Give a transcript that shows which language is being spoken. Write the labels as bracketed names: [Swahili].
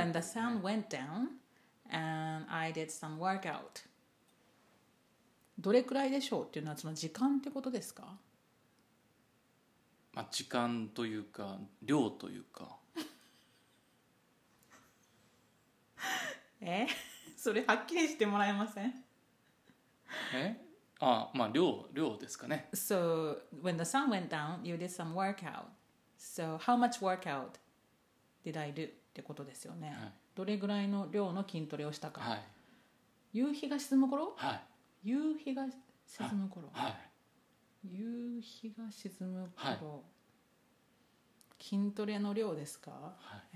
[English] When the sun went down and I did some workout。 [Japanese] どれくらいでしょうっていうのはその時間ってことですか、まあ、時間というか量というかそれはっきりしてもらえません？え、あ、まあ量ですかね。 [English] So when the sun went down, you did some workout. So how much workout did I do? [Japanese] ってことですよね、はい、どれぐらいの量の筋トレをしたか、はい、夕日が沈む頃、はい、夕日が沈む頃、はい、夕日が沈む頃、はい、筋トレの量ですか、はい、